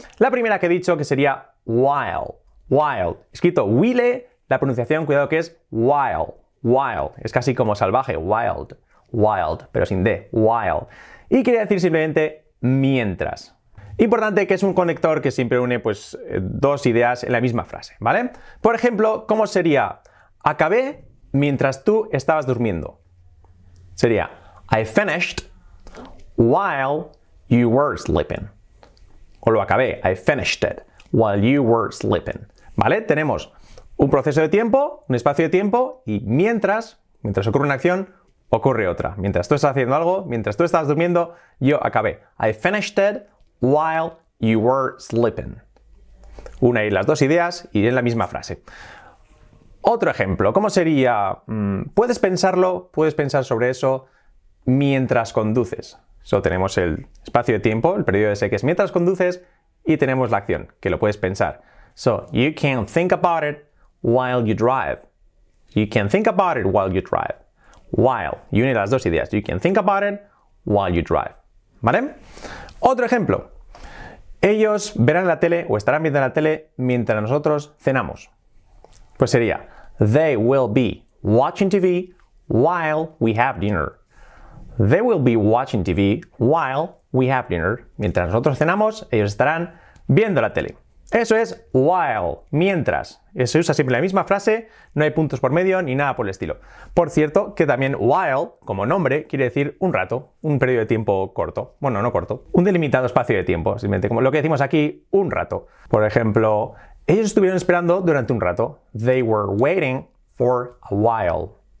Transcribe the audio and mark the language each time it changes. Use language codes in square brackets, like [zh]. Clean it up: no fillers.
[es] La primera que he dicho que sería while, while, escrito while, la pronunciación, cuidado que es while, while, es casi como salvaje, wild, wild, pero sin D, while, y quería decir simplemente mientras. Importante que es un conector que siempre une pues dos ideas en la misma frase, ¿vale? Por ejemplo, ¿cómo sería? Acabé mientras tú estabas durmiendo. Sería, [en] I finished while you were sleeping. [es] O lo acabé, [en] I finished it while you were sleeping. [es] ¿Vale? Tenemos un proceso de tiempo, un espacio de tiempo, y mientras ocurre una acción, ocurre otra. Mientras tú estás haciendo algo, mientras tú estás durmiendo, yo acabé. [en] I finished it while you were sleeping. [es] Una y las dos ideas y en la misma frase. Otro ejemplo, ¿cómo sería? Puedes pensarlo, puedes pensar sobre eso mientras conduces. So, tenemos el espacio de tiempo, el periodo ese que es mientras conduces, y tenemos la acción, que lo puedes pensar. [en] So, you can think about it while you drive. You can think about it while you drive. While, [es] y une las dos ideas. [en] You can think about it while you drive. [es] ¿Vale? Otro ejemplo. Ellos verán la tele o estarán viendo la tele mientras nosotros cenamos. Pues sería, [en] they will be watching TV while we have dinner. They will be watching TV while we have dinner. [es] Mientras nosotros cenamos, ellos estarán viendo la tele. Eso es while, mientras. Se usa siempre la misma frase, no hay puntos por medio ni nada por el estilo. Por cierto, que también while, como nombre, quiere decir un rato, un periodo de tiempo corto. Bueno, no corto. Un delimitado espacio de tiempo, simplemente como lo que decimos aquí, un rato. Por ejemplo, ellos estuvieron esperando durante un rato. [en] They were waiting for a while.